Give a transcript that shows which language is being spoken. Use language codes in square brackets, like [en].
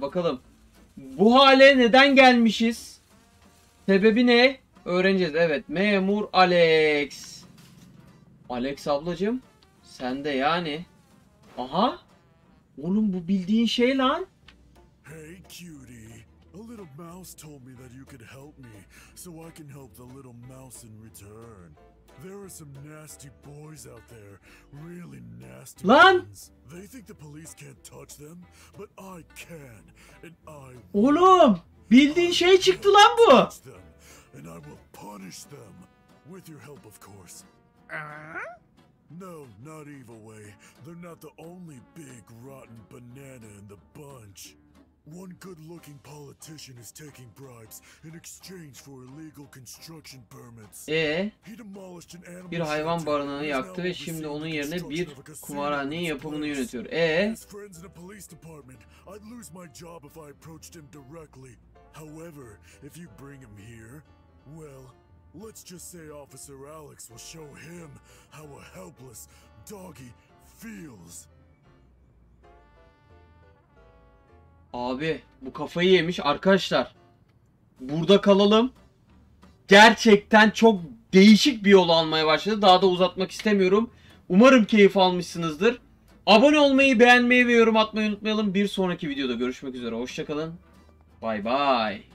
[tr] Bakalım. Bu hale neden gelmişiz? Sebebi ne? Öğreneceğiz. Evet. Memur Alex. Alex ablacığım. Sen de yani. Aha. Oğlum bu bildiğin şey lan. [en] Hey cutie. A little mouse told me that you could help me. So I can help the little mouse in return. There are some nasty boys out there, really nasty ones. They think the police can't touch them, but I can, and I. [tr] Oğlum, bildiğin şey çıktı lan bu. [en] And I will punish them with your help, of course. No, not evil way. They're not the only big rotten banana in the bunch. One good-looking politician is taking bribes in exchange for illegal construction permits. He demolished an animal. [tr] Bir hayvan barınağını yaktı ve şimdi onun yerine bir kumarhanenin yapımını yönetiyor. [en] His friends in the police department. I'd lose my job if I approached him directly. However, if you bring him here, well, let's just say Officer Alex will show him how a helpless doggy feels. [tr] Abi bu kafayı yemiş arkadaşlar. Burada kalalım. Gerçekten çok değişik bir yol almaya başladı. Daha da uzatmak istemiyorum. Umarım keyif almışsınızdır. Abone olmayı, beğenmeyi ve yorum atmayı unutmayalım. Bir sonraki videoda görüşmek üzere. Hoşça kalın. Bay bay.